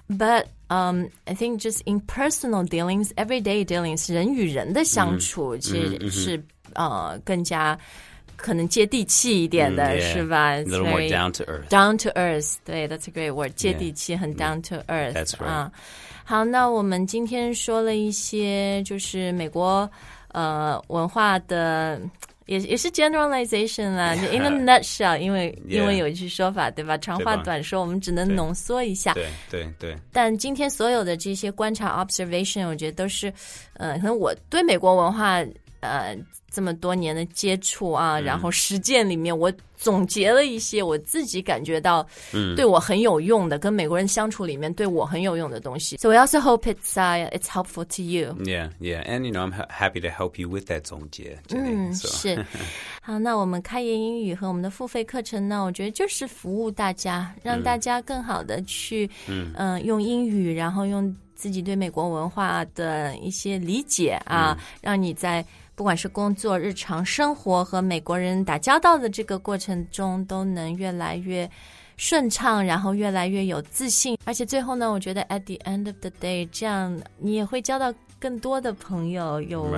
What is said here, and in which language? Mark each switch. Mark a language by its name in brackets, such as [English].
[English] but I think just in personal dealings everyday dealings [Chinese] 人与人的相处、 mm-hmm. 其实是、 mm-hmm. 更加可能接地气一点的、 mm-hmm. 是吧 [English] a little more down to earth [Chinese] 对 [English] that's a great word [Chinese] 接地气很 [English] down to earth that's right、 [Chinese] 好那我们今天说了一些就是美国文化的也是 generalization 啦 [English] in a nutshell [Chinese] 因为有一句说法对吧长话短说我们只能浓缩一下对但今天所有的这些观察 observation 我觉得都是可能我对美国文化这么多年的接触啊、嗯、然后实践里面我总结了一些我自己感觉到对我很有用的、嗯、跟美国人相处里面对我很有用的东西 [English] so I also hope it's helpful to you yeah yeah and you know I'm happy to help you with that 总结 [Chinese] 是好那我们开言英语和我们的付费课程呢我觉得就是服务大家让大家更好的去用英语然后用自己对美国文化的一些理解啊、让你在不管是工作日常生活和美国人打交道的这个过程中都能越来越顺畅然后越来越有自信而且最后呢我觉得 [English] at the end of the day [Chinese] 这样你也会交到更多的朋友有、